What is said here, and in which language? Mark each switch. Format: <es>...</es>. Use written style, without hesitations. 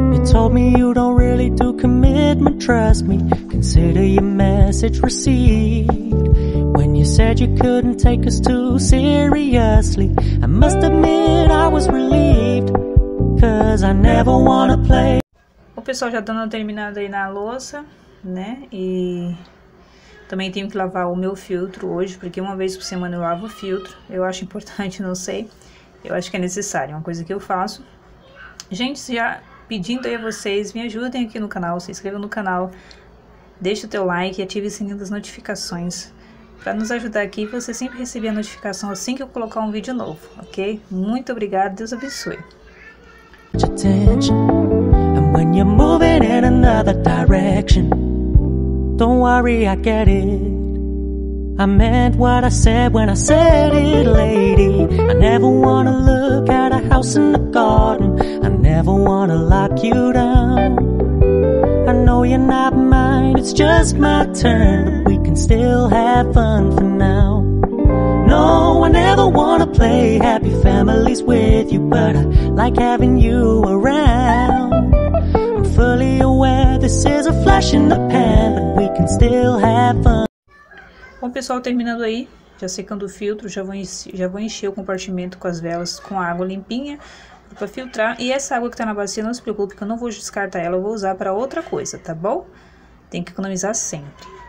<en>Told me you don't really do commitment, trust me. Consider your message received. When you said you couldn't take us too seriously, I must admit I was relieved. 'Cause I never wanna play.</en> <pt>O pessoal já dando uma terminada aí na louça, né? E também tenho que lavar o meu filtro hoje, porque uma vez por semana eu lavo o filtro. Eu acho importante, não sei. Eu acho que é necessário, é uma coisa que eu faço. Gente, já pedindo aí a vocês, me ajudem aqui no canal, se inscrevam no canal, deixe o teu like e ative o sininho das notificações para nos ajudar aqui, você sempre receber a notificação assim que eu colocar um vídeo novo, ok? Muito obrigada, Deus abençoe.</pt> <en>And when you're moving in another direction, don't worry, I get it. I meant what I said when I said it, lady. I never wanna look at a house in the garden. Never wanna lock you down. I know you're not mine, it's just my turn, but we can still have fun for now. No, I never wanna play happy families with you, but I like having you around. I'm fully aware this is a flash in the pan, but we can still have fun.</en> <pt>Bom, pessoal, terminando aí, já secando o filtro, já vou encher o compartimento com as velas com água limpinha para filtrar, e essa água que tá na bacia, não se preocupe que eu não vou descartar ela, eu vou usar para outra coisa, tá bom? Tem que economizar sempre.</pt>